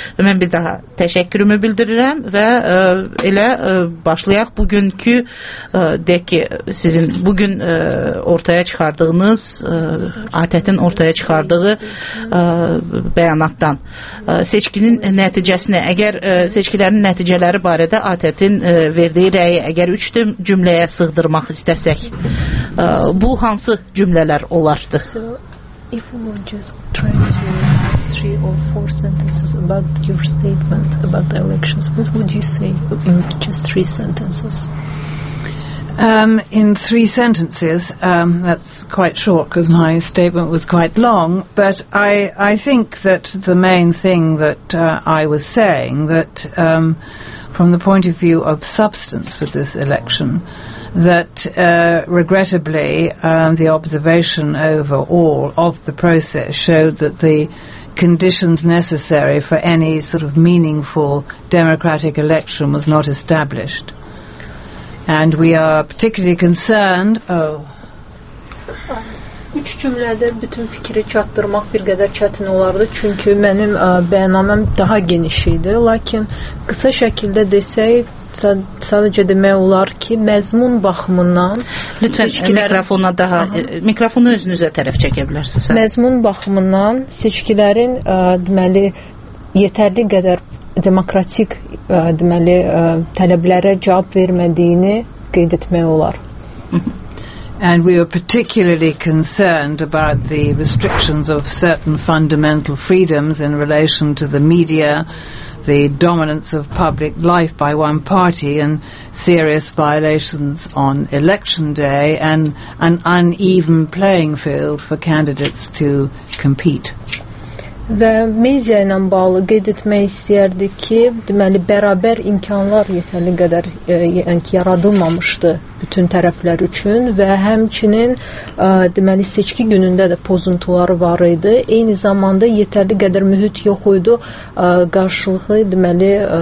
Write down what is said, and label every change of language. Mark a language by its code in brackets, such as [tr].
[az] Və mən bir daha təşəkkürümü bildirirəm və başlayaq bugünkü deyək ki, sizin bugün ortaya çıxardığınız ATƏT-in ortaya çıxardığı bəyanatdan seçkinin nəticəsini əgər seçkilərin nəticələri barədə ATƏT-in verdiyi rəyi əgər 3 cümləyə sığdırmaq istəsək bu hansı cümlələr olardı? [en] If we were just trying to three or four sentences about your statement about the elections, what would you say in just three sentences? In three sentences, that's quite short because my statement was quite long, but I think that the main thing that I was saying, that from the point of view of substance with this election, that regrettably the observation overall of the process showed that the conditions necessary for any sort of meaningful democratic election was not established. And we are particularly concerned. [az] Üç cümlədə bütün fikri çatdırmaq bir qədər çətin olardı, çünki mənim bəyanaməm daha geniş idi. Lakin qısa şəkildə desək, sadəcə demək olar ki, məzmun baxımından lütfən mikrofona daha mikrofonu özünüzə tərəf çəkə bilərsiniz. Məzmun baxımından seçkilərin deməli yetərli qədər demokratik deməli tələblərə cavab vermədiyini qeyd etmək olar. [en] And we are particularly concerned about the restrictions of certain fundamental freedoms in relation to the media, the dominance of public life by one party, and serious violations on election day, and an uneven playing field for candidates to compete. [az] Və media ilə bağlı qeyd etmək istəyərdik ki, deməli, bərabər imkanlar yetərli qədər yaradılmamışdı bütün tərəflər üçün və həmçinin deməli, seçki günündə də pozuntular var idi. Eyni zamanda yetərli qədər mühit yox idi qarşılıqlı, deməli,